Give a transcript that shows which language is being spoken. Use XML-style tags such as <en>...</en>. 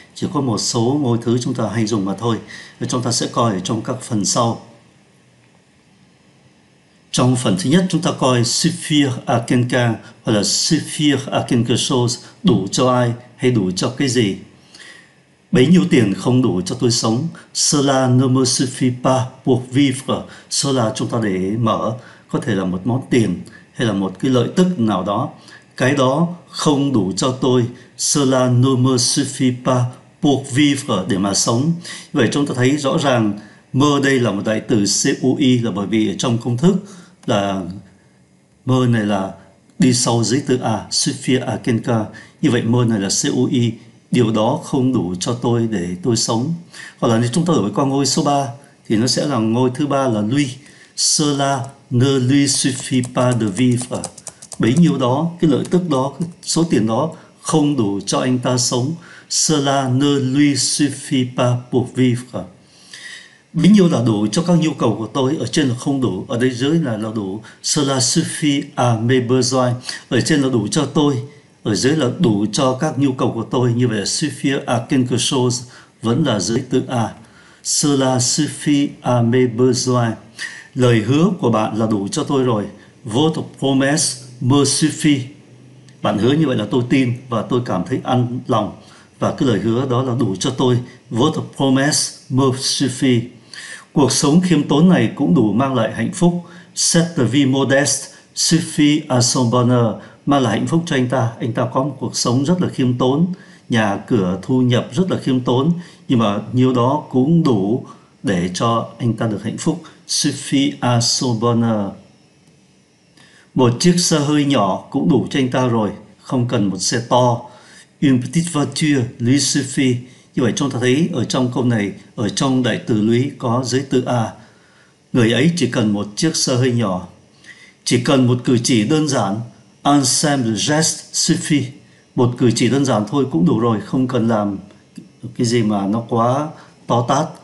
<vi>Chỉ có một số ngôi thứ chúng ta hay dùng mà thôi. Chúng ta sẽ coi ở trong các phần sau. Trong phần thứ nhất, chúng ta coi</vi> <fr>suffire à quelqu'un</fr> <vi>hoặc là</vi> <fr>suffire à quelque chose,</fr> <vi>đủ cho ai hay đủ cho cái gì. Bấy nhiêu tiền không đủ cho tôi sống.</vi> <fr>Cela ne me suffit pas pour vivre.</fr> <vi>Cela chúng ta để mở, có thể là một món tiền hay là một cái lợi tức nào đó. Cái đó không đủ cho tôi.</vi> <fr>Cela ne me suffit pas pour vivre,</fr> <vi>để mà sống. Vậy chúng ta thấy rõ ràng, mơ đây là một đại từ CUI, là bởi vì trong công thức là mơ này là đi sau giấy tự A,</vi> <fr>suffire à quelqu'un.</fr> <vi>Như vậy mơ này là CUI, điều đó không đủ cho tôi để tôi sống. Hoặc là nếu chúng ta đổi qua ngôi số 3 thì nó sẽ là ngôi thứ 3 là lui.</vi> <fr>Cela ne lui suffit pas de vivre.</fr> <vi>Bấy nhiêu đó, cái lợi tức đó, cái số tiền đó không đủ cho anh ta sống.</vi> <fr>Cela ne lui suffit pas pour vivre.</fr> <vi>Bấy nhiêu là đủ cho các nhu cầu của tôi, ở trên là không đủ, ở đây dưới là đủ.</vi> <fr>Cela suffit à mes besoins,</fr> <vi>ở trên là đủ cho tôi, ở dưới là đủ cho các nhu cầu của tôi. Như vậy là</vi> <fr>suffit à quelque chose,</fr> <vi>vẫn là giới tự A.</vi> <fr>Cela suffit à mes besoins,</fr> <vi>lời hứa của bạn là đủ cho tôi rồi.</vi> <fr>Votre promesse me suffit,</fr> <vi>bạn hứa như vậy là tôi tin và tôi cảm thấy an lòng. Và cái lời hứa đó là đủ cho tôi.</vi> <fr>Votre promesse me suffit.</fr> <vi>Cuộc sống khiêm tốn này cũng đủ mang lại hạnh phúc.</vi> <fr>Cette vie modeste suffit à son bonheur.</fr> <vi>Mang lại hạnh phúc cho anh ta. Anh ta có một cuộc sống rất là khiêm tốn. Nhà cửa thu nhập rất là khiêm tốn. Nhưng mà nhiêu đó cũng đủ để cho anh ta được hạnh phúc.</vi> <fr>Suffit à son bonheur.</fr> <vi>Một chiếc xe hơi nhỏ cũng đủ cho anh ta rồi. Không cần một xe to.</vi> <fr>Une petite voiture lui suffit.</fr> <vi>Như vậy chúng ta thấy ở trong câu này, ở trong đại từ</vi> <fr>lui</fr> <vi>có giới tự A. Người ấy chỉ cần một chiếc xe hơi nhỏ. Chỉ cần một cử chỉ đơn giản.</vi> <fr>Un simple geste suffit.</fr> <vi>Một cử chỉ đơn giản thôi cũng đủ rồi. Không cần làm cái gì mà nó quá to tát.</vi>